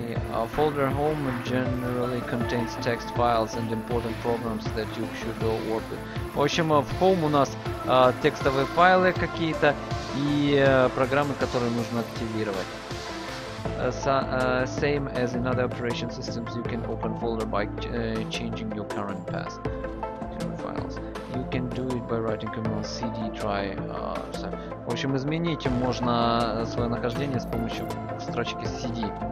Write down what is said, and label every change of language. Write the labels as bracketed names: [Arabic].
[English] A folder home generally contains text files and important programs that you should all work with. [Russian] В общем, в home у нас текстовые файлы какие-то и программы, которые нужно активировать. [English] Same as in other operation systems, you can open folder by changing your current path. Files. You can do it by writing command cd try. [Russian] В общем, изменить можно свое нахождение с помощью строчки cd.